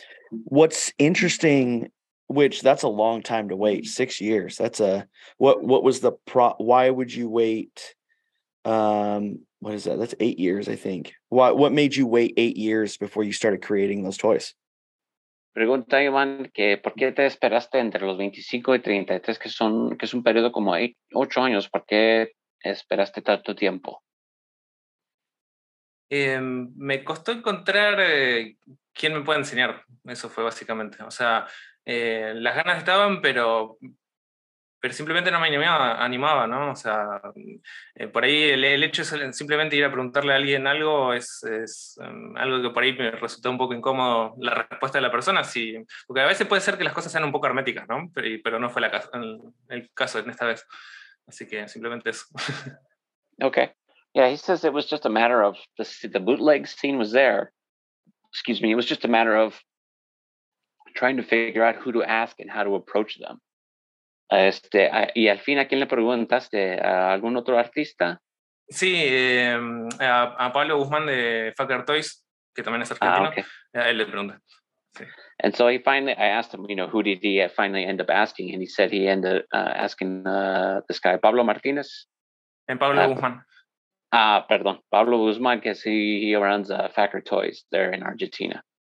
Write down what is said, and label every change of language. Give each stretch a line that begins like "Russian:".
English: What's interesting, which that's a long time to wait, 6 years, that's what was the why would you wait? What is that? That's 8 years, I think. What made you wait 8 years before you started creating those toys?
Spanish: Pregunta Iván que por qué te esperaste entre los 25 y 33, que es un periodo como 8 años, ¿por qué esperaste tanto tiempo? Me costó encontrar quién me pueda enseñar. Eso fue básicamente. O sea, las ganas estaban, pero simplemente no me animaba, ¿no? O sea, por ahí el hecho de simplemente ir a preguntarle a alguien algo es algo que por ahí me resultó un poco incómodo, la respuesta de la persona. Sí, porque a veces puede ser que las cosas sean un poco herméticas, ¿no? Pero no fue el caso en esta vez. Así que simplemente eso.
English: Okay. Yeah, he says it was just a matter of the bootleg scene was there. Excuse me. It was just a matter of trying to figure out who to ask and how to approach them.
Spanish: Y al fin, ¿a quién le preguntaste? ¿A algún otro artista? Sí, a Pablo Guzmán de Fucker Toys, que también es argentino.
English: Ah, okay.
Spanish: A él le pregunté.
English: And so he finally, I asked him, you know, who did he finally end up asking? And he said he ended asking this guy, Pablo Martinez. And Pablo Guzman. Pablo Guzman, because he runs Factor Toys there in Argentina.